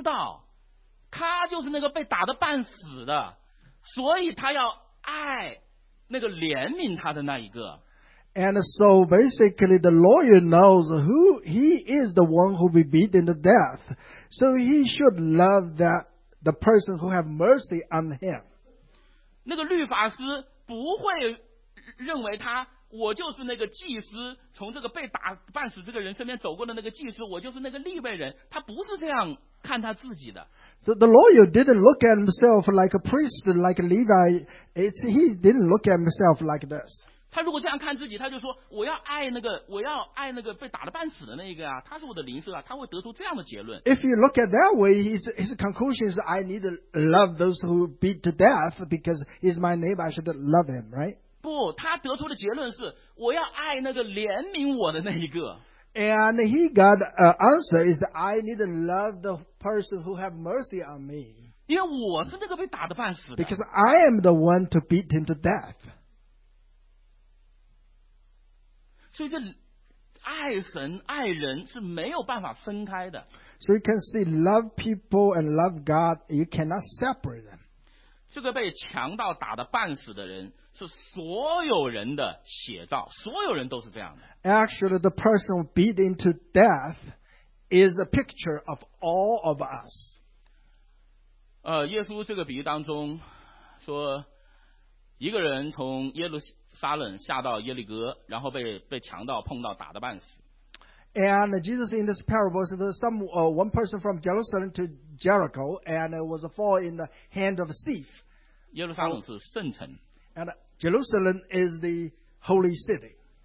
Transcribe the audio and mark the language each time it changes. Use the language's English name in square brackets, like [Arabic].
[Chinese] 这个律法师知道他就是那个被打得半死的, 所以他要爱那个怜悯他的那一个。 [English] And so basically the lawyer knows who he is, the one who be beaten to death. So he should love that the person who have mercy on him. [Chinese] 那个律法师不会认为他, 我就是那个祭司,从这个被打半死这个人身边走过的那个祭司, 我就是那个立位人, 他不是这样看他自己的。 [English] So the lawyer didn't look at himself like a priest, like a Levi. He didn't look at himself like this. [Chinese] 他如果这样看自己, 他就说, 我要爱那个被打得半死的那一个啊, 他是我的灵舍啊, 他会得出这样的结论。 [English] If you look at that way, his conclusion is, I need to love those who beat to death because he's my neighbor, I should love him, right? [Chinese] 不, 他得出的结论是, 我要爱那个怜悯我的那一个。 [English] And he got an answer is, I need to love the person who have mercy on me. [Chinese] 因为我是那个被打得半死的。 [English] Because I am the one to beat him to death. [Chinese] 所以这爱神爱人是没有办法分开的。 [English] So you can see, love people and love God, you cannot separate them. [Chinese] 这个被强盗打得半死的人, 是所有人的写照, 所有人都是这样的。 [English] Actually, the person beaten to death is a picture of all of us. [Chinese] 耶稣这个比喻当中, 说一个人从耶路撒冷下到耶利哥, 然后被强盗碰到打得半死。 [English] And Jesus in this parable said one person from Jerusalem to Jericho, and was fall in the hand of a thief. [Chinese] 耶路撒冷是圣城。 [English] And Jerusalem is the holy city.